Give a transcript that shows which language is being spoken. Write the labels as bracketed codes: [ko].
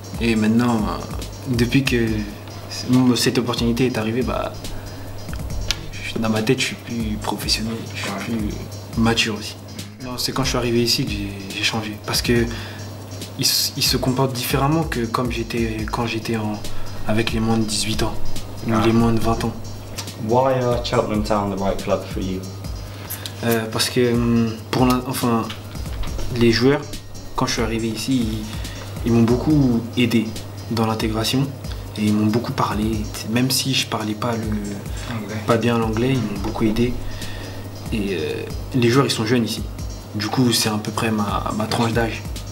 [fr] Et maintenant, depuis que cette opportunité est arrivée, bah, dans ma tête, je suis plus professionnel. Je suis plus mature aussi. Non, c'est quand je suis arrivé ici que j'ai changé. Parce que ils se comportent différemment que comme j'étais quand j'étais avec les moins de 18 ans ou les moins de 20 ans. [en] Why are Cheltenham Town the right club for you? [fr] Parce que pour enfin les joueurs, quand je suis arrivé ici, ils m'ont beaucoup aidé dans l'intégration et ils m'ont beaucoup parlé. Même si je parlais pas bien l'anglais, ils m'ont beaucoup aidé. Et les joueurs, ils sont jeunes ici. Du coup, c'est à peu près ma tranche d'âge.